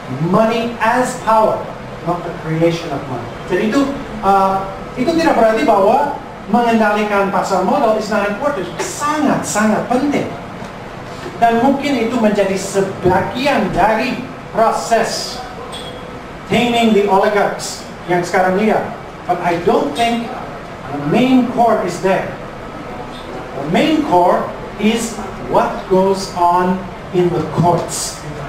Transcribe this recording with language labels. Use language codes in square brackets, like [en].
[en] Money as power, not the creation of money. [id] Jadi itu tidak berarti bahwa mengendalikan pasar modal [en] is not important. [id] Sangat-sangat penting. Dan mungkin itu menjadi sebagian dari proses [en] taming the oligarchs [id] yang sekarang lihat. [en] But I don't think the main core is there. The main core is what goes on in the courts.